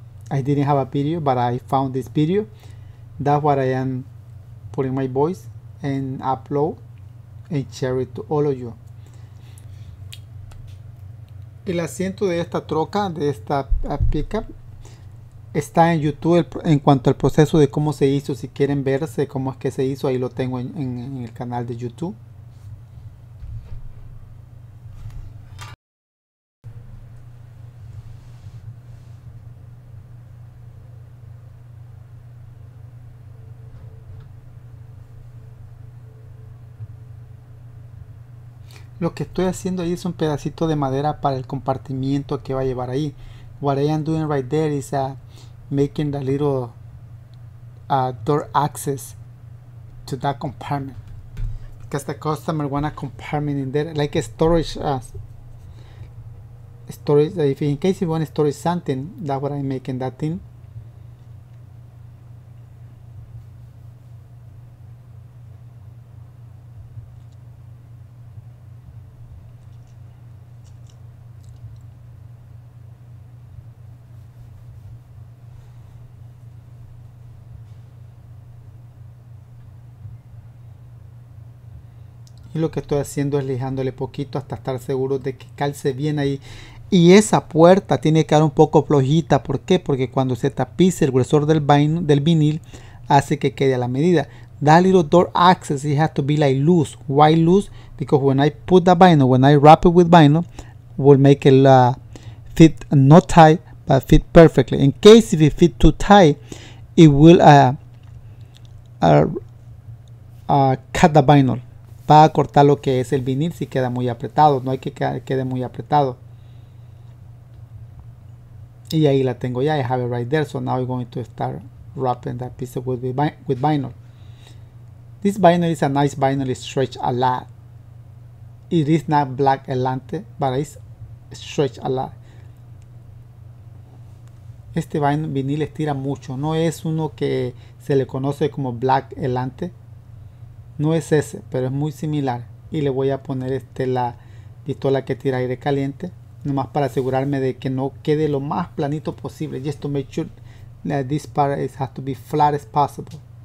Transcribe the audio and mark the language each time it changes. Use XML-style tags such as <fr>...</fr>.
<en>I didn't have a video, but I found this video. That's what I am putting my voice and upload and share it to all of you.</en> <es>El asiento de esta troca, de esta pickup, está en YouTube en cuanto al proceso de cómo se hizo. Si quieren verse cómo es que se hizo, ahí lo tengo en el canal de YouTube. Lo que estoy haciendo ahí es un pedacito de madera para el compartimiento que va a llevar ahí.</es> <en>What I am doing right there is making a little door access to that compartment. Because the customer want a compartment in there, like a storage, if in case you want to store something, that's what I'm making that thing.</en> <es>Y lo que estoy haciendo es lijándole poquito hasta estar seguro de que calce bien ahí. Y esa puerta tiene que quedar un poco flojita. ¿Por qué? Porque cuando se tapice el grosor del vinil, hace que quede a la medida.</es> <en>That little door access, it has to be like loose. Why loose? Because when I put the vinyl, when I wrap it with vinyl, will make it fit not tight, but fit perfectly. In case if it fit too tight, it will cut the vinyl.</en> <es>Va a cortar lo que es el vinil si queda muy apretado. No hay que quede muy apretado. Y ahí la tengo ya.</es> <en>I have it right there. So now we're going to start wrapping that piece with vinyl. This vinyl is a nice vinyl. It stretches a lot. It is not black elante, but it stretches a lot.</en> <es>Este vinil estira mucho. No es uno que se le conoce como black elante. No es ese, pero es muy similar. Y le voy a poner la pistola que tira aire caliente. Nomás para asegurarme de que no quede lo más planito posible.</es> <en>Just to make sure that this part has to be flat as possible.</en>